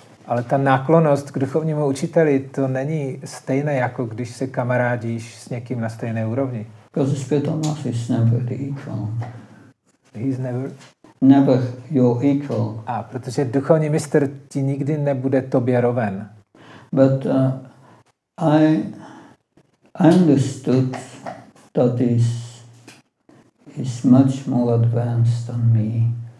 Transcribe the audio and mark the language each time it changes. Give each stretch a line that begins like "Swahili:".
Czech: Ale ta náklonnost k duchovnímu učiteli, to není stejné, jako když se kamarádíš s někým na stejné úrovni.
English: Because the spiritual master is never the equal. He's never... Never your equal.
Czech: A, protože duchovní mistr ti nikdy nebude tobě roven.
English: But I understood that he's much more advanced than me.